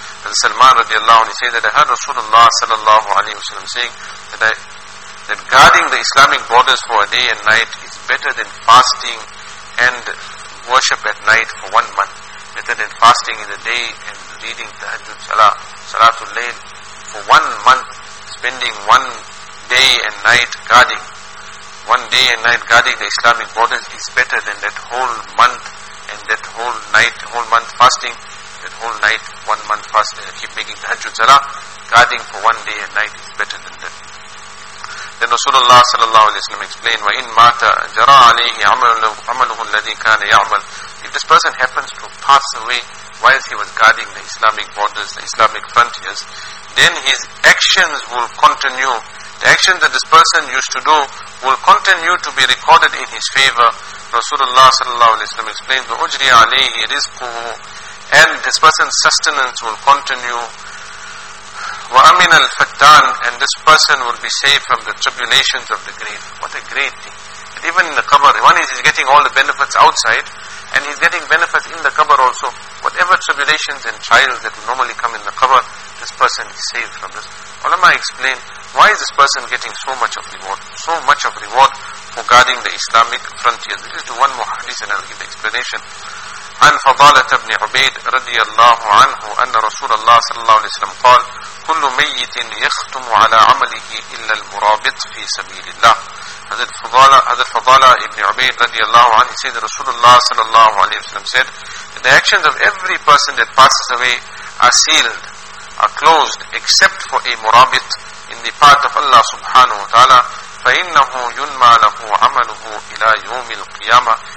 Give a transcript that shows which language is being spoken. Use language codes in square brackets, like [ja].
[en] And Salman رضي الله عنه said that I heard [ar] رسول الله صلى الله عليه وسلم [en] saying that guarding the Islamic borders for a day and night is better than fasting and worship at night for 1 month, better than fasting in the day and reading Tahajjud Salatul Layl for 1 month, spending 1 day and night guarding, 1 day and night guarding the Islamic borders is better than that whole month and that whole night, whole month fasting, that whole night, 1 month fasting, keep making Tahajjud Salah, guarding for 1 day and night is better than that. Then Rasulullah sallallahu alayhi wa sallam explained, [ar] وَإِنْ مَاتَ جَرَى عَلَيْهِ عَمَلُهُ الَّذِي كَانَ يَعْمَلُ. [en] If this person happens to pass away whilst he was guarding the Islamic borders, the Islamic frontiers, then his actions will continue. The actions that this person used to do will continue to be recorded in his favor. Rasulullah sallallahu alayhi wa sallam explained, [ar] وَأُجْرِيَ عَلَيْهِ رِزْقُهُ. [en] And this person's sustenance will continue. [ar] وَأَمِنَ الْفَتَّانِ. [en] And this person will be saved from the tribulations of the grave. What a great thing. But even in the qabr, one is getting all the benefits outside, and he's getting benefits in the qabr also. Whatever tribulations and trials that normally come in the qabr, this person is saved from this. Ulama explained, why is this person getting so much of reward? So much of reward for guarding the Islamic frontiers. Let's do one more hadith and I'll give the explanation. [ar] عن فضالة ابن عبيد رضي الله عنه أن رسول الله صلى الله عليه وسلم قال كل ميت يختم على عمله إلا المرابط في سبيل الله. هذا فضالة ابن عبيد رضي الله عنه [en] said [ar] رسول الله صلى الله عليه وسلم [en] said the actions of every person that passes away are sealed, are closed except for a مرابط in the path of Allah [ar] سبحانه وتعالى فإنه ينمى له عمله إلى يوم القيامة.